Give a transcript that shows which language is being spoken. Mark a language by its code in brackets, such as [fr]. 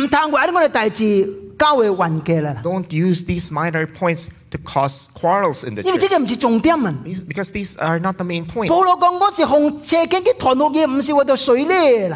[zh] 不通为这样的事情教会冤家了, [en] don't use these minor points to cause quarrels in the church. [zh] 因为这个不是重点, [en] because these are not the main points. [zh] 保罗说我是奉差遣去传福音, 不是为了水礼了。